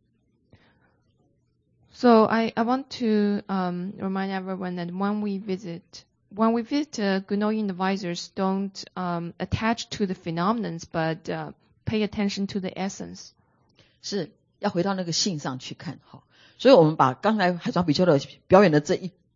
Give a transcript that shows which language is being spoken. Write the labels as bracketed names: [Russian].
[Chinese] 我们在参访上知识的时候，绝对不要着那个相了啦，不要着相，要从那个性当中去看它。So [English] I want to remind everyone that when we visit good knowing advisors, don't attach to the phenomenons, but pay attention to the essence. [Chinese] 是要回到那个性上去看哈。所以我们把刚才海藏比丘的表演的这一。